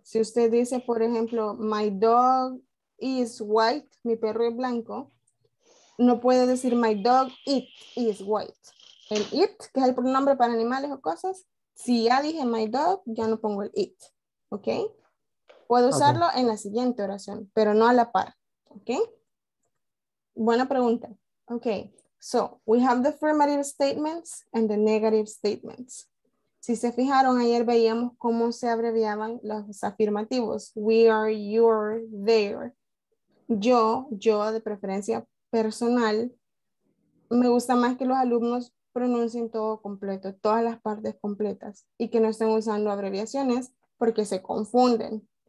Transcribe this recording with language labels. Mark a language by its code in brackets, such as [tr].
[es] Si usted dice, por ejemplo, [en] my dog is white, [es] mi perro es blanco, no puede decir [en] my dog, it is white. [es] El it, que es el pronombre para animales o cosas, si ya dije my dog, ya no pongo el it, ¿ok? Puedo usarlo en la siguiente oración, pero no a la par, ¿ok? Buena pregunta. [en] Ok, so we have the affirmative statements and the negative statements. [es] Si se fijaron, ayer veíamos cómo se abreviaban los afirmativos. [en] We are, you're, they're. [es] Yo de preferencia personal, me gusta más que los alumnos pronuncien todo completo, todas las partes completas y que no estén usando abreviaciones porque se confunden.